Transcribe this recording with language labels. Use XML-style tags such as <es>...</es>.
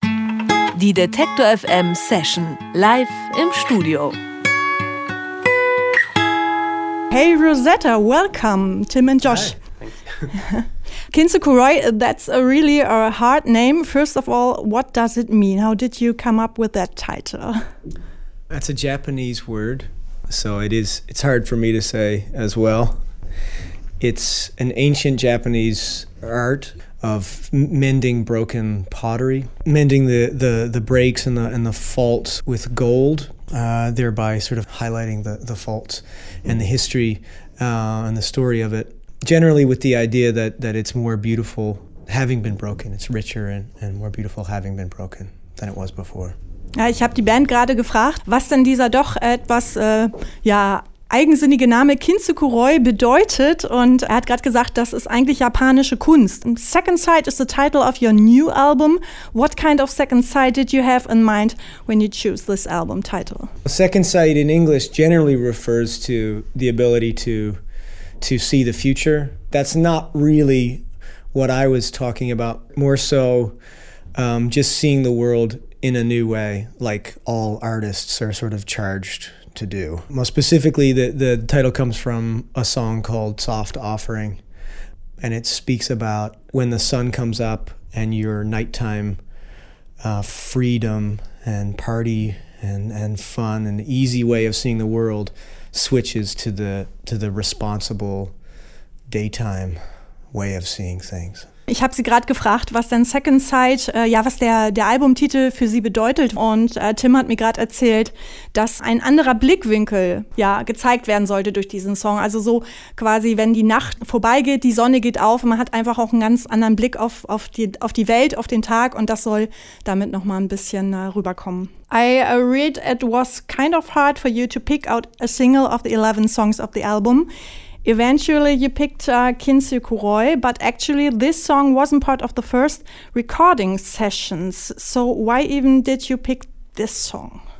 <de>Die Detektor FM Session live im Studio.</de> <en>Hey Rosetta, welcome, Tim and Josh. Hi, thank you. Kintsukuroi, that's a really a hard name. First of all, what does it mean? How did you come up with that title? That's a Japanese word, so it's hard for me to say as well. It's an ancient Japanese art of mending broken pottery, mending the breaks and the faults with gold, thereby sort of highlighting the faults and the history and the story of it, generally with the idea that it's more beautiful having been broken. It's richer and more beautiful having been broken than it was before.</en> <de>Ich habe die Band gerade gefragt, was denn dieser doch etwas eigensinnige Name Kintsukuroi bedeutet, und er hat gerade gesagt, das ist eigentlich japanische Kunst.</de> <en>Second Sight is the title of your new album. What kind of second sight did you have in mind when you choose this album title? Second sight in English generally refers to the ability to see the future. That's not really what I was talking about. More so just seeing the world in a new way, like all artists are sort of charged to do. Most specifically, the title comes from a song called Soft Offering, and it speaks about when the sun comes up and your nighttime freedom and party and fun and easy way of seeing the world switches to the responsible daytime way of seeing things.</en> <de>Ich habe sie gerade gefragt, was denn Second Sight, was der Albumtitel für sie bedeutet. Und Tim hat mir gerade erzählt, dass ein anderer Blickwinkel gezeigt werden sollte durch diesen Song. Also so quasi, wenn die Nacht vorbeigeht, die Sonne geht auf und man hat einfach auch einen ganz anderen Blick auf die Welt, auf den Tag. Und das soll damit nochmal ein bisschen rüberkommen.</de> <en>I read it was kind of hard for you to pick out a single of the 11 songs of the album. Eventually, you picked Kintsukuroi, but actually, this song wasn't part of the first recording sessions. So why even did you pick this song?</en>